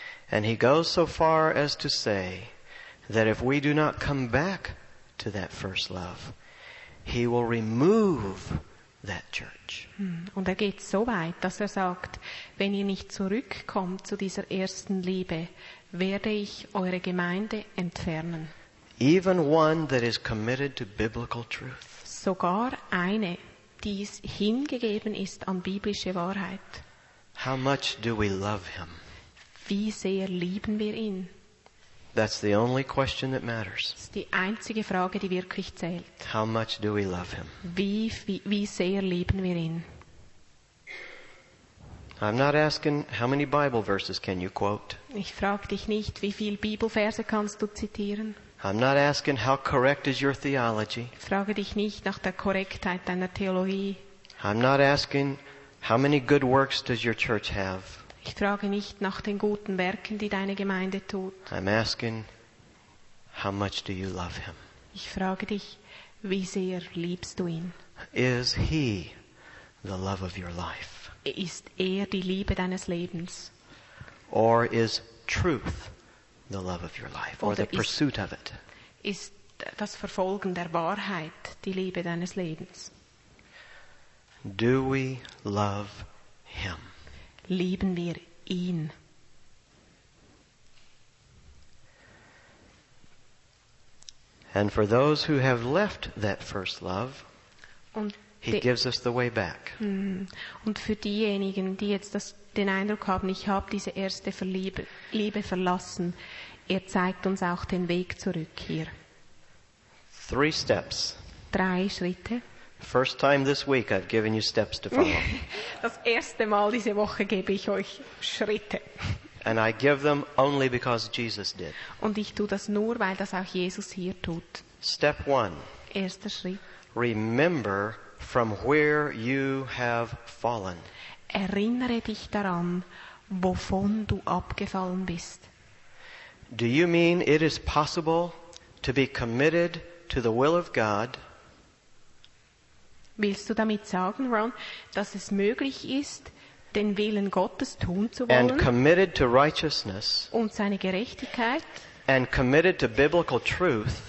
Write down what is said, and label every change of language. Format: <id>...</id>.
<en>And he goes so far as to say that if we do not come back to that first love, he will remove that church.</en> <de>Und er geht so weit, dass er sagt, wenn ihr nicht zurückkommt zu dieser ersten Liebe, werde ich eure Gemeinde entfernen.</de> <en>Even one that is committed to biblical truth.</en> <de>Sogar eine, die es hingegeben ist an biblische Wahrheit.</de> <en>How much do we love him?</en> <de>Wie sehr lieben wir ihn?</de> <en>That's the only question that matters.</en> <de>Das ist die einzige Frage, die wirklich zählt.</de> <en>How much do we love him?</en> <de>Wie sehr lieben wir ihn?</de> <en>I'm not asking how many Bible verses can you quote.</en> <de>Ich frage dich nicht, wie viele Bibelverse kannst du zitieren.</de> <en>I'm not asking how correct is your theology.</en> <de>Ich frage dich nicht nach der Korrektheit deiner Theologie.</de> <en>I'm not asking how many good works does your church have.</en> <de>Ich frage nicht nach den guten Werken, die deine Gemeinde tut.</de> <en>I'm asking, how much do you love him?</en> <de>Ich frage dich, wie sehr liebst du ihn?</de> <en>Is he the love of your life?</en> <de>Ist er die Liebe deines Lebens?</de> <en>Or is truth the love of your life?</en> <de>Oder</de> <en>or the pursuit of it?</en> <de>Ist das Verfolgen der Wahrheit die Liebe deines Lebens?</de> <en>Do we love him?</en> <de>Lieben wir ihn?</de> <en>And for those who have left that first love, he gives us the way back.</en> <de>Und für diejenigen, die jetzt den Eindruck haben, ich habe diese erste Liebe verlassen, er zeigt uns auch den Weg zurück hier.</de> <en>Three steps.</en> <de>Drei Schritte.</de> <en>First time this week I've given you steps to follow.</en> <de>Das erste Mal diese Woche gebe ich euch Schritte.</de> <en>And I give them only because Jesus did.</en> <de>Und ich tue das nur, weil das auch Jesus hier tut.</de> <en>Step one.</en> <de>Erster Schritt.</de> <en>Remember from where you have fallen.</en> <de>Erinnere dich daran, wovon du abgefallen bist.</de> <en>Do you mean it is possible to be committed to the will of God?</en> <de>Willst du damit sagen, Ron, dass es möglich ist, den Willen Gottes tun zu wollen?</de> <en>And committed to righteousness,</en> <de>und seine Gerechtigkeit.</de> <en>And committed to biblical truth,</en>